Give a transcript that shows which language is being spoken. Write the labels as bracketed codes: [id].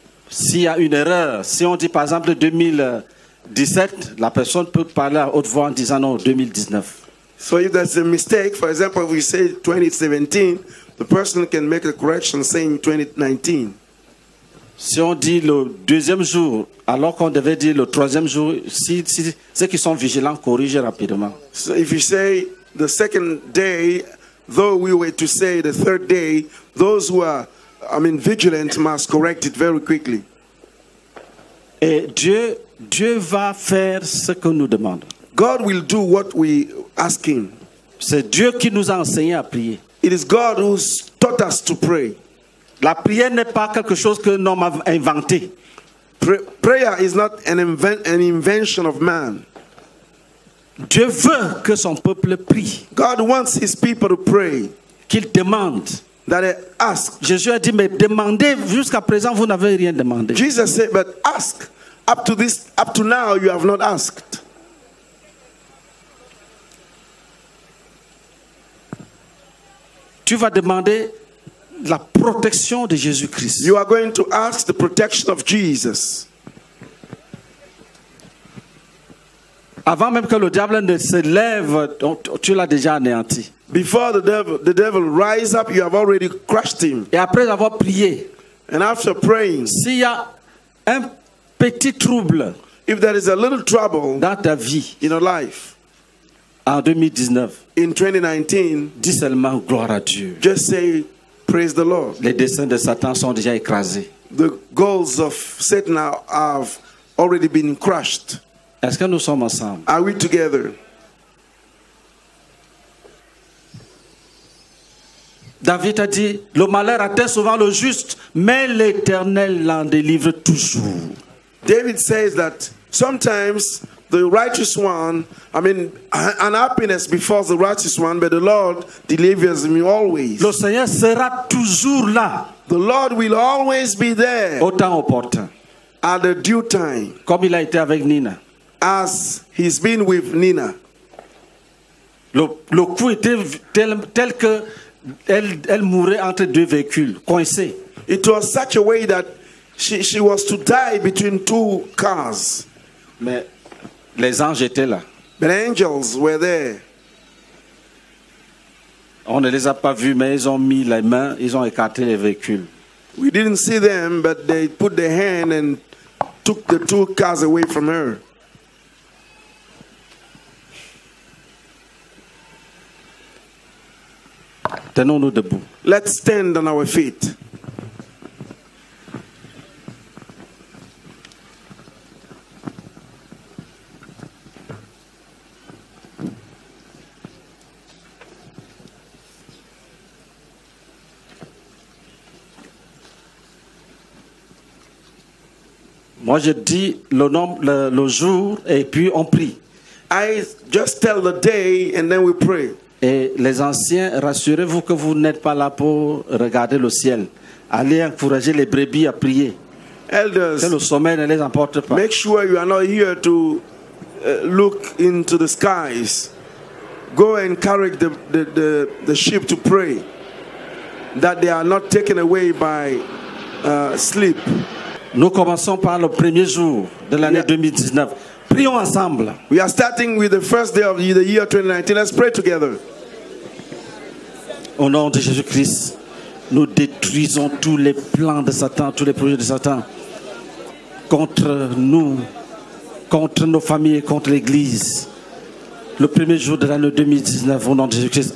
[fr] S'il y a une erreur, si on dit par exemple 2017, la personne peut parler à haute voix en disant non 2019. [en] So if there's a mistake, for example, if we say 2017, the person can make a correction saying 2019. [fr] Si on dit le deuxième jour, alors qu'on devait dire le troisième jour, si ceux qui sont vigilants corrigent rapidement. [en] So if you say the second day, though we were to say the third day, those who are, vigilant must correct it very quickly. [fr] Et Dieu va faire ce que nous demande. [en] God will do what we ask him. [fr] C'est Dieu qui nous a enseigné à prier. [en] It is God who taught us to pray. [fr] La prière n'est pas quelque chose que l'homme a inventé. [en] Prayer is not an invention of man. [fr] Dieu veut que son peuple prie. [en] God wants his people to pray. [fr] Qu'il demande. [en] That they ask. [fr] Jésus a dit, mais demandez jusqu'à présent, vous n'avez rien demandé. [en] Jesus said, but ask. Up to now, you have not asked. [fr] Tu vas demander la protection de Jésus-Christ. [en] You are going to ask the protection of Jesus. [fr] Avant même que le diable ne se lève, tu l'as déjà anéanti. [en] Before the devil rise up, you have already crushed him. [fr] Et après avoir prié, [en] and after praying, [fr] s'il y a un petit trouble, [en] if there is a little trouble, [fr] dans ta vie, [en] in your life, [fr] en 2019, [en] in 2019, [fr] dis seulement gloire à Dieu. [en] Just say praise the Lord. [fr] Les desseins de Satan sont déjà écrasés. [en] The goals of Satan have already been crushed. [fr] Est-ce que nous sommes ensemble? [en] Are we together? [fr] David a dit, le malheur atteint souvent le juste, mais l'Éternel l'en délivre toujours. [en] David says that sometimes the righteous one, I mean, unhappiness befalls the righteous one, but the Lord delivers me always. [fr] Le Seigneur sera toujours là. [en] The Lord will always be there. [fr] Au temps opportun. [en] At the due time. [fr] Comme il a été avec Nina. [en] As he's been with Nina. [fr] Le coup était tel que elle mourait entre deux véhicules, coincée. [en] It was such a way that she was to die between two cars. [fr] Mais les anges étaient là. [en] But angels were there. [fr] On ne les a pas vus, mais ils ont mis les mains, ils ont écarté les véhicules. [en] We didn't see them, but they put their hand and took the two cars away from her. [fr] Tenons-nous debout. [en] Let's stand on our feet. [fr] Moi, je dis le jour et puis on prie. [en] I just tell the day and then we pray. [fr] Et les anciens, rassurez-vous que vous n'êtes pas là pour regarder le ciel. Allez encourager les brebis à prier. [en] Elders, [fr] que le sommeil ne les emporte pas. [en] Make sure you are not here to look into the skies. Go encourage the sheep to pray that they are not taken away by sleep. [fr] Nous commençons par le premier jour de l'année 2019. Prions ensemble. [en] We are starting with the first day of the year 2019. Let's pray together. [fr] Au nom de Jésus-Christ, nous détruisons tous les plans de Satan, tous les projets de Satan contre nous, contre nos familles, contre l'Église. Le premier jour de l'année 2019, au nom de Jésus-Christ.